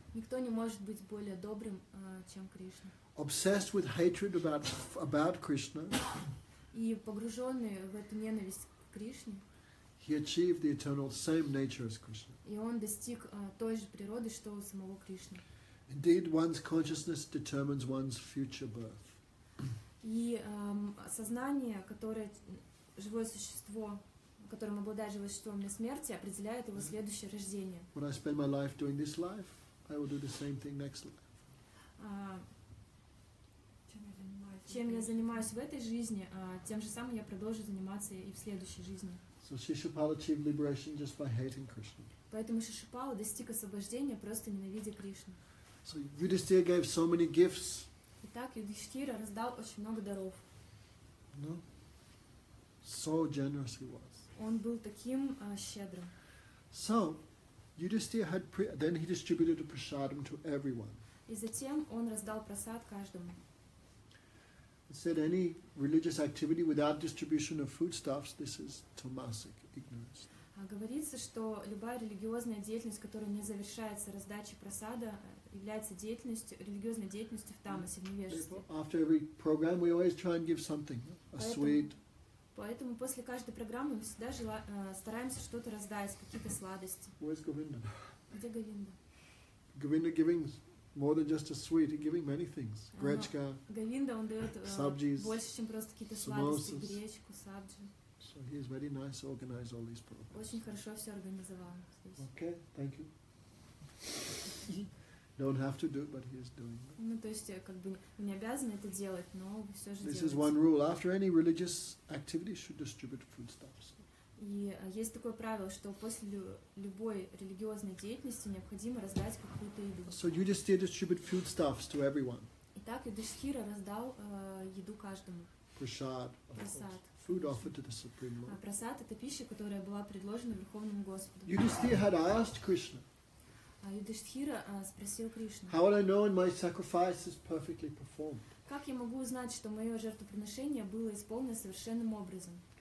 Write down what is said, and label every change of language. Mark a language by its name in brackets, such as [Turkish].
[Russian] Никто не может быть более добрым, чем Кришна. [English] Obsessed with hatred about Krishna. [Russian] И погруженный в эту ненависть к Кришне. [English] He achieved the eternal same nature as Krishna. [Russian] И он достиг той же природы, что у самого Кришны. [English] Indeed, one's consciousness determines one's future birth. [Russian] И сознание, которое живое существо, которым обладает живое существо на смерти, определяет его следующее рождение. [English] When I spend my life doing this life, I will do the same thing next life. [Russian] Чем я занимаюсь в этой жизни, тем же самым я продолжу заниматься и в следующей жизни. [English] So Shishupala achieved liberation just by hating Krishna. [Russian] Поэтому Шишупала достиг освобождения просто ненавидя Кришну. [English] So Yudhishthira gave so many gifts. [Russian] Итак, Юдхиштхира раздал очень много даров. [English] No. So generous he was. [Russian] Он был таким щедрым. [English] So Yudhishthira had then he distributed a prasadam to everyone. [Russian] И затем он раздал прасад каждому. [English] It said any religious activity without distribution of foodstuffs, this is tamasic ignorance. [Russian] Говорится, что любая религиозная деятельность, которая не завершается раздачей просада, является деятельностью, религиозной деятельностью в тамасе, в невежестве. [English] After every program, we always try and give something, a sweet. [Russian] Поэтому после каждой программы мы всегда стараемся что-то раздать, какие-то сладости. [English] Where's Govinda? [Russian] Где Говинда? [English] Govinda giving more than just a sweet, he's giving many things. Гречка, [Russian] Говинда, он дает сабджис, больше, чем просто какие-то сладости, гречку, сабджи. [English] So he is very nice to organize all these programs. [Russian] Очень хорошо все организовал. [English] Okay, thank you. Don't have to do, but he is doing. [Russian] Ну то есть как бы не обязан это делать, но все же делает. [English] This is one rule. After any religious activity, should distribute foodstuffs. [Russian] И есть такое правило, что после любой религиозной деятельности необходимо раздать какую-то еду. [English] So you just did distribute foodstuffs to everyone. [Russian] Итак, Юдхиштхира раздал еду каждому. [English] Prasad. Prasad. Food offered to the Supreme Lord. [Russian] Prasad – это пища, которая была предложена Верховному Господу. [English] Yudhishthira had asked Krishna. [Russian] Yudhishthira спросил Кришну. [English] How will I know when my sacrifice is perfectly performed? [Russian] Как я могу узнать, что мое жертвоприношение было исполнено совершенным образом?